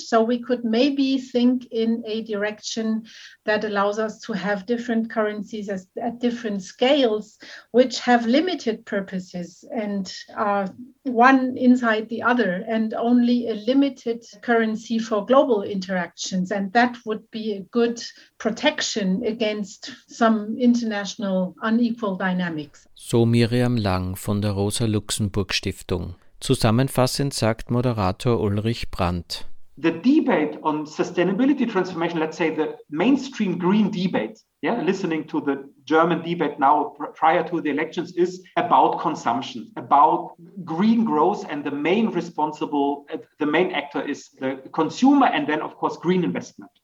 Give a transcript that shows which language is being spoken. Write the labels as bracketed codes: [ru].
[en] So we could maybe think in a direction that allows us to have different currencies at different scales, which have limited purposes and are one inside the other, and only a limited currency for global interactions. And that would be a good protection against some international unequal dynamics. [de] So Miriam Lang von der Rosa-Luxemburg-Stiftung. Zusammenfassend sagt Moderator Ulrich Brandt. [en] The debate on sustainability transformation, let's say the mainstream green debate, yeah, listening to the German debate now prior to the elections, is about consumption, about green growth, and the main responsible, the main actor is the consumer, and then of course green investment.